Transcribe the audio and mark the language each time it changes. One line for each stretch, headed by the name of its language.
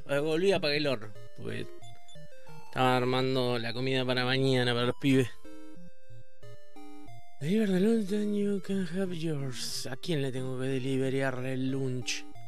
Spanish: Volví a apagar el horno. Pues, estaba armando la comida para mañana para los pibes.
English: Deliver the lunch and you can have yours.
Spanish: ¿A quién le tengo que deliverar el lunch?